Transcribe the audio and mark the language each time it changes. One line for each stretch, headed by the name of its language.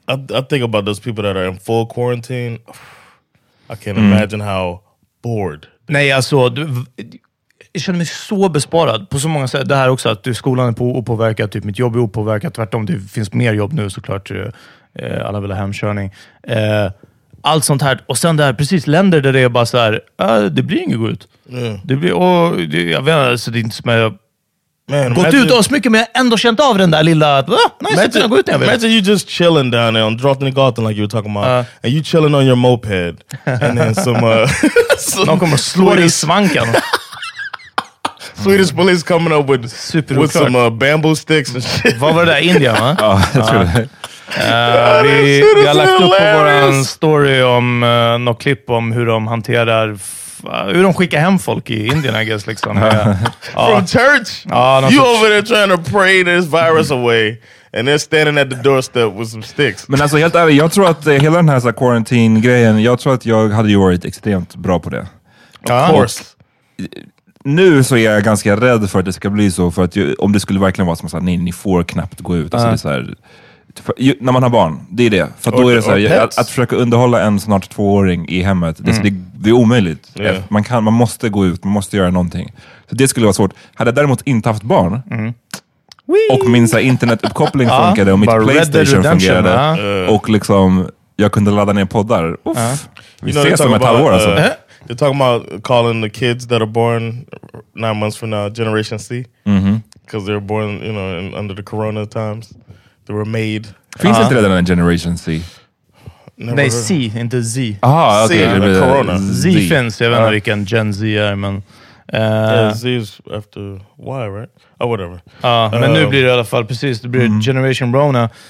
English: I think about those people that are in full quarantine. I can't imagine how bored.
Swedish: Nej, alltså, jag känner mig så besparad på så många sätt. Det här också, att skolan är på opåverkad, typ mitt jobb är opåverkad. Tvärtom, det finns mer jobb nu såklart. Alla vill ha hemkörning. Allt sånt här. Och sen det här, precis, länder där det är bara så här, det blir inget gott. Det blir, jag vet inte, så det är inte som att jag gått ut oss mycket, men jag ändå känt av den där lilla,
English: imagine you just chilling down there on Drottninggatan like you were talking about, and you chilling on your moped, and then some
Swedish: någon kommer slå dig i svanken.
English: Swedish police coming up with superoklart. With some bamboo sticks and shit.
Swedish: Vad var det där, India, va? Ja, jag tror det. Vi har lagt upp på våran story om något klipp om hur de hanterar hur de skickar hem folk i Indien,
English: I guess,
Swedish: liksom.
English: From church? You over there trying to pray this virus away. And they're standing at the doorstep with some sticks.
Swedish: Men alltså, helt ärligt, jag tror att hela den här quarantine-grejen, jag tror att jag hade ju varit extremt bra på det.
English: Of course.
Swedish: Nu så är jag ganska rädd för att det ska bli så, för att om det skulle verkligen vara som att ni får knappt gå ut. Alltså, det är så här, när man har barn, det är det. För då är det så här, att försöka underhålla en snart tvååring i hemmet, det är omöjligt. Yeah. Man måste gå ut, man måste göra någonting. Så det skulle vara svårt. Hade jag däremot inte haft barn, och min internetuppkoppling funkade och mitt PlayStation fungerade och liksom jag kunde ladda ner poddar. Vi ses om ett halvår alltså.
English: You're talking about calling the kids that are born 9 months from now Generation C. Because they're born, you know, under the corona times. They were made.
Swedish: Finns inte redan en Generation C? Nej, C, inte Z. Aha, okay.
English: C, the corona.
Swedish: Z finns, jag vet inte vilken Gen Z är, men...
English: Z is after Y, right? Oh, whatever.
Swedish: Men nu blir det i alla fall precis, det blir Generation Rona.